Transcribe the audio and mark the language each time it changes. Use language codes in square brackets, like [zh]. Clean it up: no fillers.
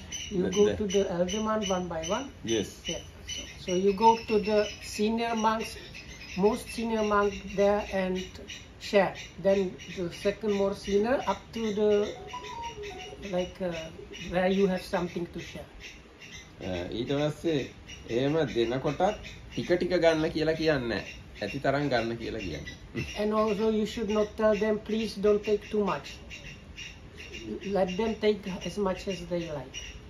[en] You go to the elder monks one by one. Yes. So you go to the senior monks, most senior monks there and share. Then the second more senior up to the like where you have something to share. [si] ඊට පස්සේ එහෙම දෙනකොට ටික ටික ගන්න කියලා කියන්නේ නැහැ. ඇති තරම් ගන්න කියලා කියන්නේ. [en] And also you should not tell them please don't take too much. Let them take as much as they like.